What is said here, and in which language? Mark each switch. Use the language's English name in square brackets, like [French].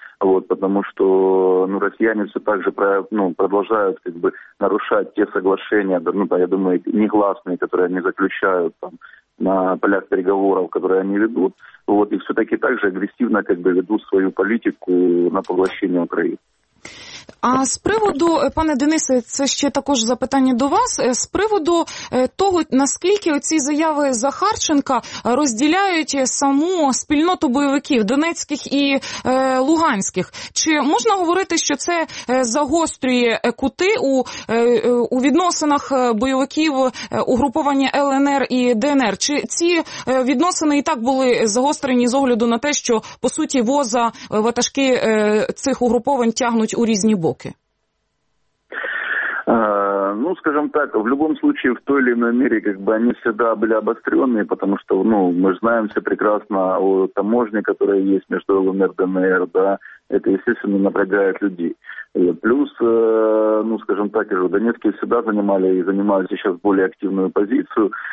[Russian] Вот, потому что, ну, россияне все так же, ну, продолжают как бы нарушать те соглашения, ну, я думаю, негласные, которые они заключают там на полях переговоров, которые они ведут. Вот, и все-таки так же агрессивно как бы ведут свою политику на поглощение Украины. [Ukrainian] А з приводу, пане Денисе, це ще також запитання до вас, з приводу того, наскільки оці заяви Захарченка розділяють саму спільноту бойовиків, донецьких і луганських. Чи можна говорити, що це загострює кути у відносинах бойовиків угруповання ЛНР і ДНР? Чи ці відносини і так були загострені з огляду на те, що, по суті, воза, ватажки цих угруповань тягнуть у різні боки? [Russian] Ну, скажем так, в любом случае, в той или иной мере, как бы, они всегда были обостренные, потому что, ну, мы знаем все прекрасно о таможне, которая есть между ЛНР и ДНР, да, это, естественно, напрягает людей. Плюс, ну, скажем так, и же донецкие всегда занимали и занимают сейчас более активную позицию.